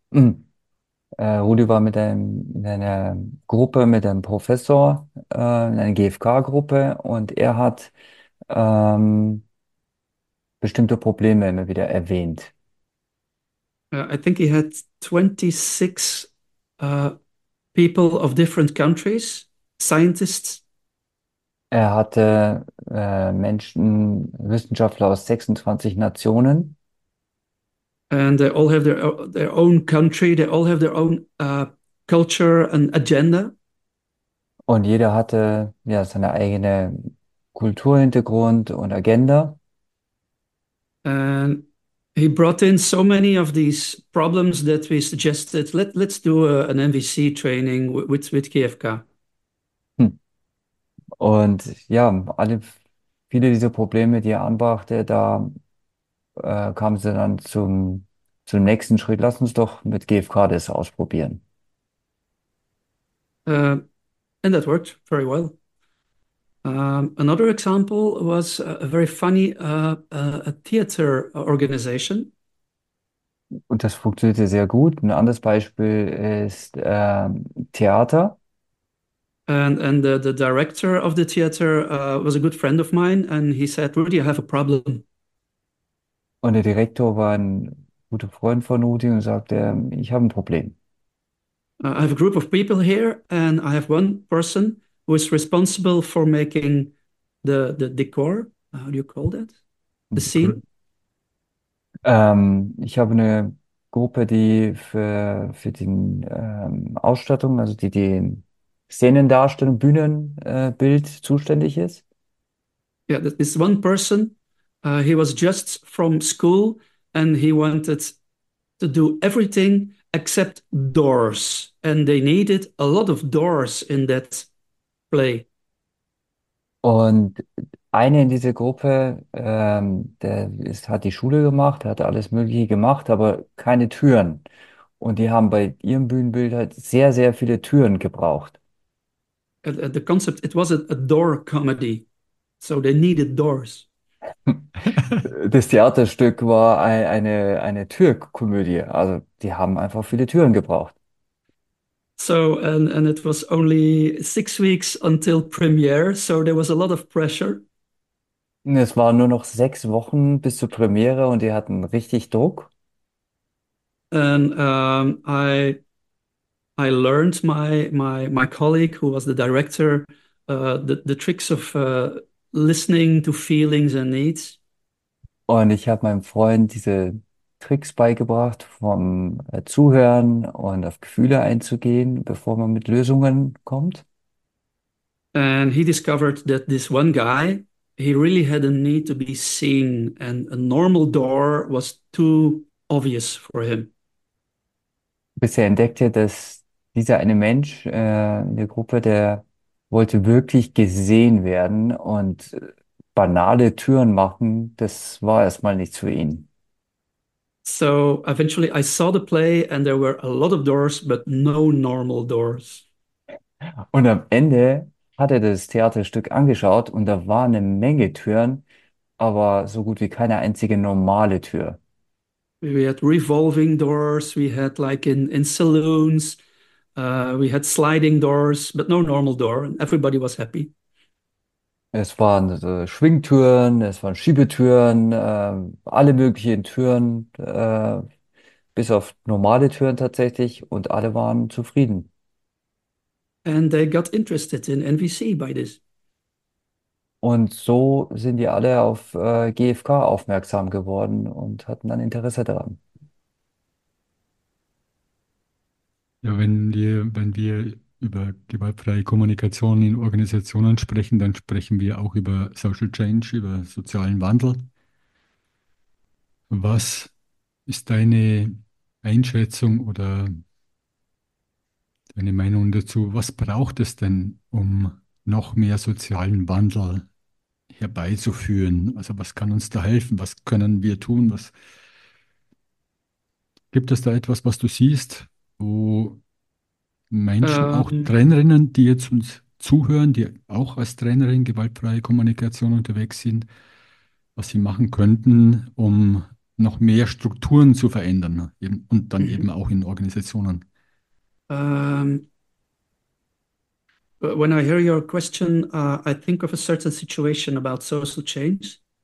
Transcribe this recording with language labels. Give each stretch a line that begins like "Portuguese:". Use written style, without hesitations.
German: Rudi war in einer Gruppe mit einem Professor, in einer GFK-Gruppe und er hat bestimmte Probleme immer wieder erwähnt.
English: I think he had 26 people of different countries, scientists.
German: Er hatte Menschen, Wissenschaftler aus 26 Nationen.
English: And they all have their own country, they all have their own culture and agenda.
German: Und jeder hatte ja seine eigene Kulturhintergrund und Agenda.
English: And he brought in so many of these problems that we suggested, let's do an MVC training with GFK.
German: Und ja, viele dieser Probleme, die er anbrachte, da kamen sie dann zum nächsten Schritt. Lass uns doch mit GFK das ausprobieren.
English: And that worked very well. Another example was a very funny a theater organization.
German: Und das funktionierte sehr gut. Ein anderes Beispiel ist Theater.
English: And the director of the theater was a good friend of mine, and he said, Rudy, I have a problem.
German: Und der Direktor war ein guter Freund von Rudi und sagte, ich habe ein Problem.
English: I have a group of people here, and I have one person who is responsible for making the decor. How do you call that? The scene?
German: Ich habe eine Gruppe, die für die Ausstattung, also die Szenendarstellung, Bühnenbild zuständig ist.
English: Yeah, this is one person. He was just from school, and he wanted to do everything except doors, and they needed a lot of doors in that play.
German: Und eine in dieser Gruppe, hat die Schule gemacht, hat alles Mögliche gemacht, aber keine Türen. Und die haben bei ihrem Bühnenbild halt sehr, sehr viele Türen gebraucht.
English: The concept, it was a door comedy, so they needed doors.
German: Das Theaterstück war eine Türkomödie. Also die haben einfach viele Türen gebraucht.
English: So, and it was only 6 weeks until premiere, so there was a lot of pressure.
German: Es waren nur noch 6 Wochen bis zur Premiere und die hatten richtig Druck.
English: And I learned my colleague, who was the director, the tricks of listening to feelings and needs.
German: Und ich habe meinem Freund diese Tricks beigebracht, vom Zuhören und auf Gefühle einzugehen, bevor man mit Lösungen kommt.
English: And he discovered that this one guy, he really had a need to be seen, and a normal door was too obvious for him.
German: Bis er entdeckte, dass dieser eine Mensch in der Gruppe, der wollte wirklich gesehen werden und banale Türen machen, das war erstmal nichts für ihn.
English: So eventually I saw the play, and there were a lot of doors, but no normal doors.
German: Und am Ende hat er das Theaterstück angeschaut und da war eine Menge Türen, aber so gut wie keine einzige normale Tür.
English: We had revolving doors, we had like in saloons, we had sliding doors, but no normal door, and everybody was happy.
German: Es waren Schwingtüren, es waren Schiebetüren, alle möglichen Türen, bis auf normale Türen tatsächlich, und alle waren zufrieden.
English: And they got interested in NVC by this.
German: Und so sind die alle auf GFK aufmerksam geworden und hatten dann Interesse daran. Ja, wenn wir über gewaltfreie Kommunikation in Organisationen sprechen, dann sprechen wir auch über Social Change, über sozialen Wandel. Was ist deine Einschätzung oder deine Meinung dazu? Was braucht es denn, um noch mehr sozialen Wandel herbeizuführen? Also was kann uns da helfen? Was können wir tun? Was gibt es da etwas, was du siehst, wo Menschen, auch Trainerinnen, die jetzt uns zuhören, die auch als Trainerin gewaltfreie Kommunikation unterwegs sind, was sie machen könnten, um noch mehr Strukturen zu verändern und dann eben auch in Organisationen?
English: When I hear your question, I think of a certain situation about social change.